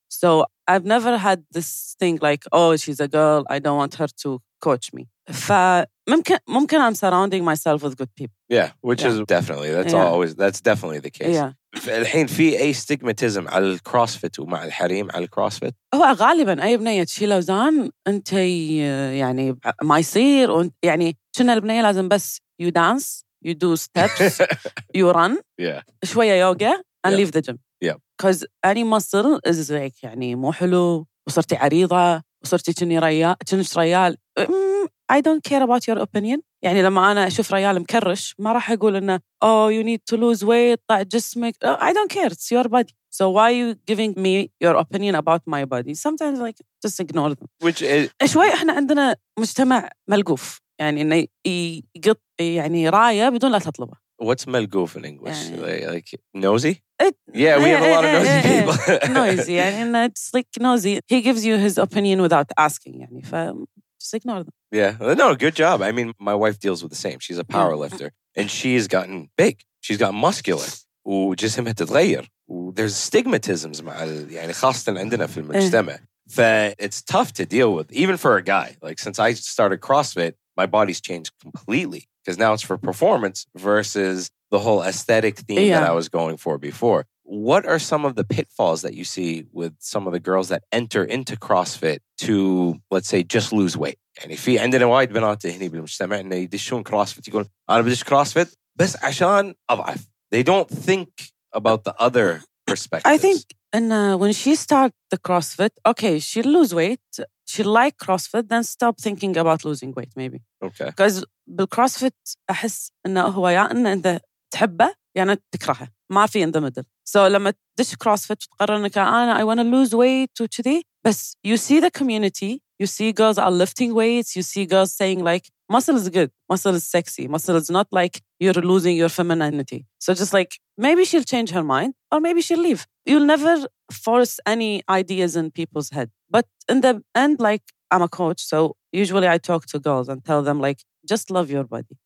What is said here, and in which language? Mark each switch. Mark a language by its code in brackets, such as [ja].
[en] So I've never had this thing like, oh, she's a girl, I don't want her to coach me. [ar] فممكن [en] I'm surrounding myself with good people. Yeah, which is definitely, that's definitely the case. Yeah. [ar] الحين في أي stigmatism على الكروسفيت ومع الحريم على الكروسفيت؟ هو غالباً أي بنية تشيل أوزان أنت يعني ما يصير, يعني شنا البنية لازم بس [en] you dance, you do steps, you run, yeah, [ar] شوية يوغا [en] and leave the gym. Yeah. Because any muscle is like [ar] يعني مو حلو وصرتي عريضة وصرتي تشني ريال. [en] I don't care about your opinion. [ar] يعني لما أنا أشوف ريال مكرش ما راح أقول إنه [en] oh you need to lose weight, [ar] طع جسمك. [en] Oh, I don't care, it's your body. So why are you giving me your opinion about my body? Sometimes like just ignore them. Which is [ar] شوي إحنا عندنا مجتمع ملقوف يعني إنه يقط يعني راية بدون لا تطلبه. [en] What's ملقوف in English? Yeah. Like nosy? Yeah, we have a lot of nosy people. Nosy, [ar] يعني إنه [en] it's like nosy. He gives you his opinion without asking. [ar] يعني ف [en] just ignore them. Yeah, no, good job. I mean, my wife deals with the same. She's a power lifter and she's gotten big. She's gotten muscular. [ar] وجسمها تتغير. [en] There's stigmatisms [ar] مع يعني خاصة عندنا في المجتمع. [en] It's tough to deal with, even for a guy. Like, since I started CrossFit, my body's changed completely because now it's for performance versus the whole aesthetic theme that I was going for before. What are some of the pitfalls that you see with some of the girls that enter into CrossFit to, let's say, just lose weight? [ar] يعني في عندنا وايد بنات هنا بالمجتمع إنه يدشون كروسفيت يقول أنا بديش كروسفيت بس عشان أضعف. [en] They don't think about the other perspective. I think and when she start the CrossFit, okay, she lose weight. She like CrossFit, then stop thinking about losing weight. Maybe okay. [ar] Because بالCrossFit أحس إنه هو يا إنه أنت تحبه يا إنه تكرهه. ما في [en] in the middle. So [ar] لما تدش CrossFit تقرر إنك أنا [en] I wanna lose weight [ar] وكذي. بس [en] you see the community. You see girls are lifting weights. You see girls saying like, muscle is good. Muscle is sexy. Muscle is not like you're losing your femininity. So just like, maybe she'll change her mind or maybe she'll leave. You'll never force any ideas in people's head. But in the end, like I'm a coach. So usually I talk to girls and tell them like, just love your body.